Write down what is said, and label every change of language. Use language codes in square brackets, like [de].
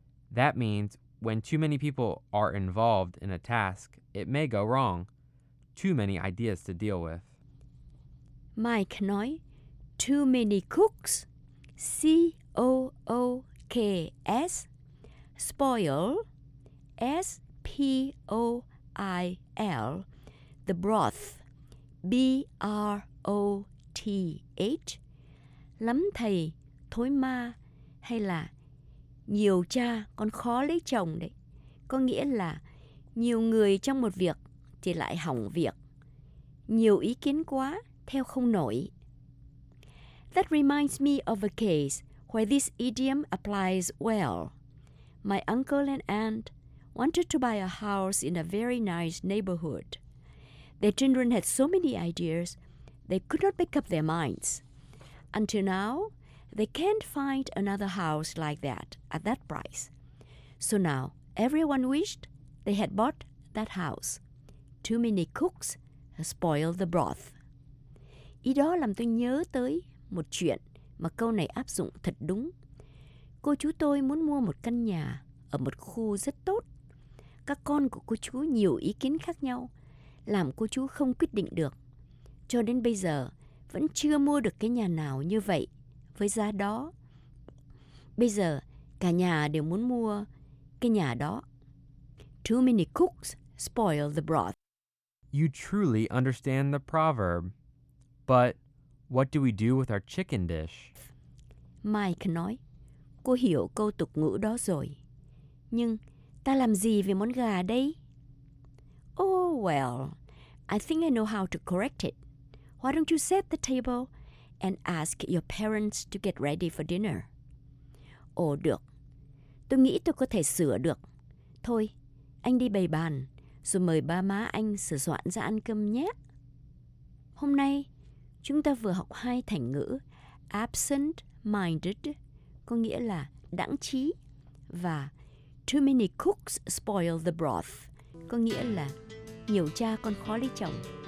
[en] That means when too many people are involved in a task, it may go wrong. Too many ideas to deal with. [vi] Mike nói, too many cooks, C-O-O-K-S, spoil, S-P-O-I-L, the broth, B-R-O-T-H, lắm thầy, thối ma, hay là nhiều cha còn khó lấy chồng đấy. Có nghĩa là nhiều người trong một việc thì lại hỏng việc. Nhiều ý kiến quá, theo không nổi. [en] That reminds me of a case where this idiom applies well. My uncle and aunt wanted to buy a house in a very nice neighborhood. Their children had so many ideas, they could not make up their minds. Until now, they can't find another house like that at that price. So now, everyone wished they had bought that house. Too many cooks spoil the broth. [vi] Ý đó làm tôi nhớ tới một chuyện mà câu này áp dụng thật đúng. Cô chú tôi muốn mua một căn nhà ở một khu rất tốt. Các con của cô chú nhiều ý kiến khác nhau, làm cô chú không quyết định được. Cho đến bây giờ, vẫn chưa mua được cái nhà nào như vậy với giá đó. Bây giờ, cả nhà đều muốn mua cái nhà đó. [en] Too many cooks spoil the broth. You truly understand the proverb. But what do we do with our chicken dish? [vi] Mike nói, cô hiểu câu tục ngữ đó rồi. Nhưng ta làm gì về món gà đây? Oh well, [en] I think I know how to correct it. Why don't you set the table and ask your parents to get ready for dinner? [vi] Ồ, được. Tôi nghĩ tôi có thể sửa được. Thôi, anh đi bày bàn, rồi mời ba má anh sửa soạn ra ăn cơm nhé. Hôm nay, chúng ta vừa học hai thành ngữ absent-minded, có nghĩa là đãng trí, và too many cooks spoil the broth, có nghĩa là nhiều cha con khó lấy chồng.